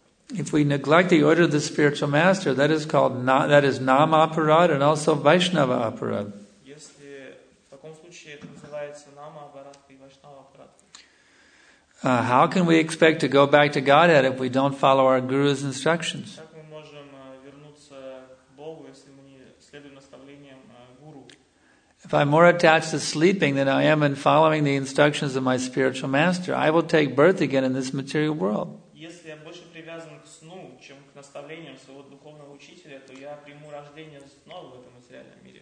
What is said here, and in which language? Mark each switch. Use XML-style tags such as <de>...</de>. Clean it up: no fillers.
<en>If we neglect the order of the spiritual master, that is called nama aparad and also vaishnava aparad.</en> <ru>Если в таком случае это называется нама аппарат и вайшнава аппарат.</ru> <en>How can we expect to go back to Godhead if we don't follow our Guru's instructions?</en> <ru>Как мы можем вернуться к Богу, если мы не следуем наставлениям Гуру?</ru> <en>If I'm more attached to sleeping than I am in following the instructions of my spiritual master, I will take birth again in this material world.</en> <ru>Если я больше привязан к сну, чем к наставлениям своего духовного учителя, то я приму рождение снова в этом материальном мире.</ru>